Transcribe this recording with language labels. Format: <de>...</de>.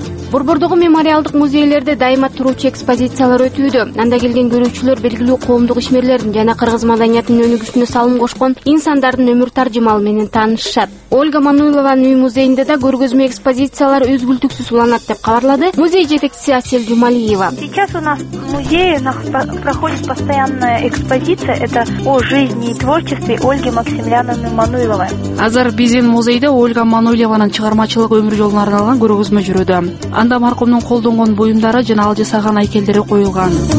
<ky>Борбордогу мемориалдык музейлерде дайыма туруучу экспозициялар өтүүдө. Анда келген көрүүчүлөр белгилүү коомдук ишмерлердин жана кыргыз маданиятынын өнүгүүсүнө салым кошкон инсандардын өмүр таржымалы менен таанышышат. Ольга Мануйлованын үй музейинде да көргөзмө экспозициялар үзгүлтүксүз уланат деп кабарлады музей жетекчиси Асель Жумалиева.</ky> <ru>Сейчас у нас в музее проходит постоянная экспозиция, это о жизни и творчестве Ольги Максимилиановны Мануйловой.</ru> <ky>Азыр биздин музейде Ольга Мануйлованын чыгармачылык өмүр жолуна арналган көргөзмө жүрүүдө. Анда маркумдун колдонгон буюмдары жана ал жасаган айкелдери коюлган.</ky>